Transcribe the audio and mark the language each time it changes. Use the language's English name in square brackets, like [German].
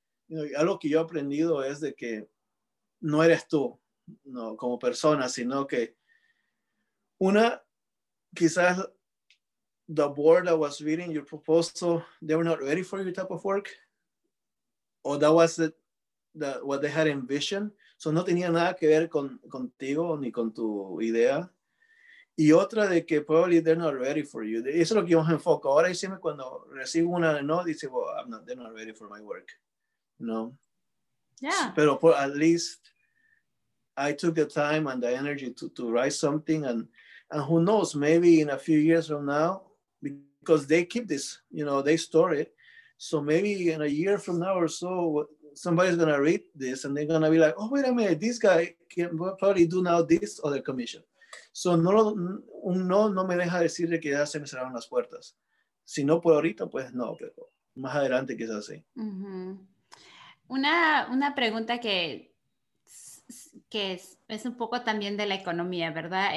[English] You know, algo que yo he aprendido es de que no eres tú, no, como persona, sino que una, quizás the board that was reading your proposal, they were not ready for your type of work, or that was what they had envisioned. [Spanish] So no tenía nada que ver contigo ni con tu idea. [English] Y otra, de que probably they're not ready for you. [Spanish] Eso es lo que yo me enfoco. Ahora siempre cuando recibo una no, dice, well, they're not ready for my work. No. [English] Yeah. Pero por, at least I took the time and the energy to write something, and who knows, maybe in a few years from now, because they keep this, you know, they store it. So maybe in a year from now or so, somebody's going to read this and they're going to be like, oh, wait a minute, this guy can probably do now this other commission. [Spanish] So no me deja decir que ya se me cerraron las puertas. Si no por ahorita, pues no, pero más adelante quizás sí. Uh-huh. Una pregunta que es un poco también de la economía, ¿verdad?